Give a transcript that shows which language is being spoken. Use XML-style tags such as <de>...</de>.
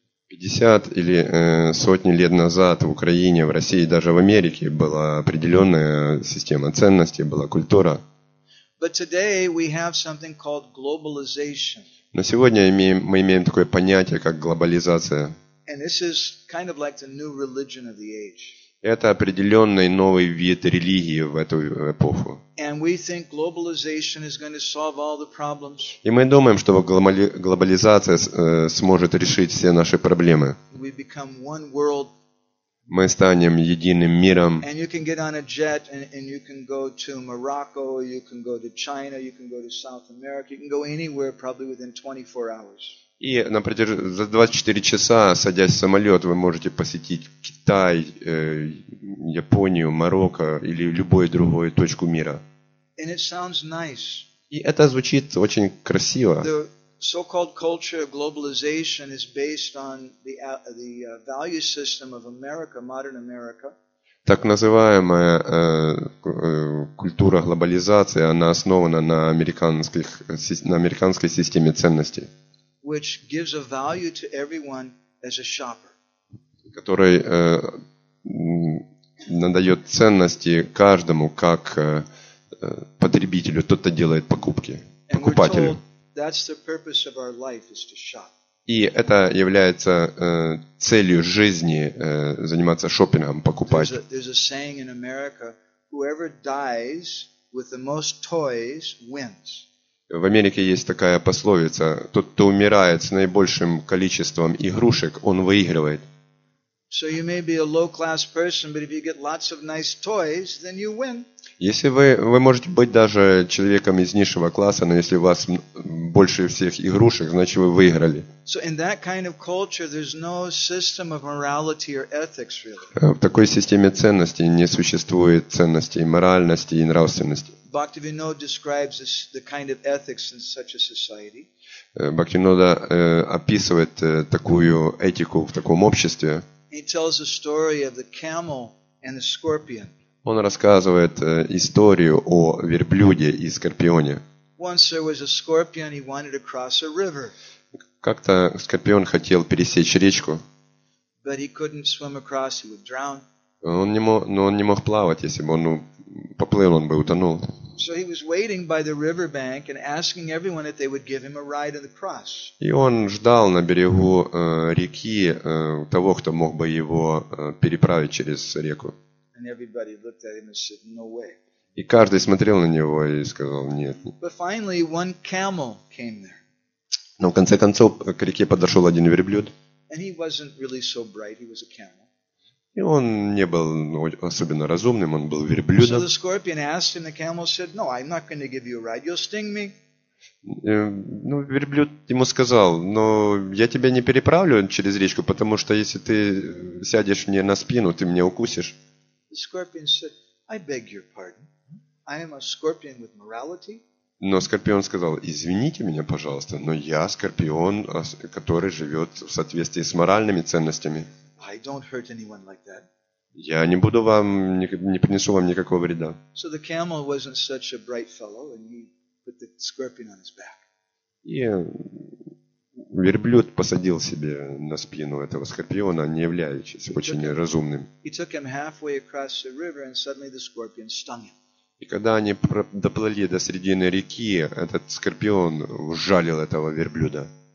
<ru>50 или сотни лет назад в Украине, в России, даже в Америке была определенная система ценностей, была культура.</ru> <en>But today we have something called globalization.</en> <ru>Но сегодня мы имеем такое понятие, как глобализация.</ru> <en>And this is kind of like the new religion of the age.</en> <ru>Это определенный новый вид религии в эту эпоху.</ru> <en>And we think globalization is going to solve all the problems.</en> <ru>И мы думаем, что глобализация сможет решить все наши проблемы.</ru> <en>We become one world.</en> <ru>Мы станем единым миром.</ru> <en>And you can get on a jet and you can go to Morocco, you can go to China, you can go to South America, you can go anywhere probably within 24 hours.</en> <ru>И на протяжении за 24 часа, садясь в самолет, вы можете посетить Китай, Японию, Марокко или любую другую точку мира.</ru> <en>And it sounds nice.</en> <ru>И это звучит очень красиво.</ru> <en>The so-called culture of globalization is based on the value system of America, modern America.</en> <ru>Так называемая культура глобализации, она основана на американской системе ценностей.</ru> <en>Which gives a value to everyone as a shopper.</en> <ru>Который надает ценности каждому как потребителю, тот, кто делает покупки, покупателю.</ru> <en>That's the purpose of our life is to shop.</en> <ru>И это является целью жизни заниматься шопингом, покупать.</ru> <en>There's a saying in America, whoever dies with the most toys wins.</en> <ru>В Америке есть такая пословица: тот, кто умирает с наибольшим количеством игрушек, он выигрывает.</ru> <en>So you may be a low-class person, but if you get lots of nice toys, then you win.</en> <ru>Если вы можете быть даже человеком из низшего класса, но если у вас больше всех игрушек, значит вы выиграли.</ru> <en>So in that kind of culture, there's no system of morality or ethics, really.</en> <ru>В такой системе ценностей не существует ценностей моральности и нравственности.</ru> <en>Bhaktivinoda describes the kind of ethics in such a society.</en> <ru>Бхактивинода описывает такую этику в таком обществе.</ru> <en>He tells the story of the camel and the scorpion.</en> <ru>Он рассказывает историю о верблюде и скорпионе.</ru> <en>Once there was a scorpion, he wanted to cross a river.</en> <ru>Как-то скорпион хотел пересечь речку.</ru> <en>But he couldn't swim across, he would drown.</en> <ru>Он не мог плавать, если бы он поплыл, он бы утонул.</ru> <en>So he was waiting by the river bank and asking everyone if they would give him a ride on the cross.</en> <ru>И он ждал на берегу реки того, кто мог бы его переправить через реку.</ru> <en>And everybody looked at him and said, "No way."</en> <ru>И каждый смотрел на него и сказал: "Нет."</ru> <en>But finally one camel came there.</en> <ru>Но в конце концов к реке подошел один верблюд.</ru> <en>And he wasn't really so bright, he was a camel.</en> <ru>И он не был особенно разумным, он был верблюдом.</ru> <en>So the scorpion asked him, the camel said, "No, I'm not going to give you a ride. You'll sting me."</en> <ru>Ну, верблюд ему сказал: "Но я тебя не переправлю через речку, потому что если ты сядешь мне на спину, ты меня укусишь."</ru> <en>The scorpion said, "I beg your pardon. I am a scorpion with morality.</en> <ru>Но Скорпион сказал: извините меня, пожалуйста, но я Скорпион, который живет в соответствии с моральными ценностями.</ru> <en>I don't hurt anyone like that.</en> <ru>Я не буду вам, не принесу вам никакого вреда.</ru> <en>So the camel wasn't such a bright fellow, and he put the scorpion on his back.</en> <ru>Верблюд посадил себе на спину этого скорпиона, не являющегося очень разумным. И когда они доплыли до середины реки, этот скорпион ужалил этого верблюда.</ru>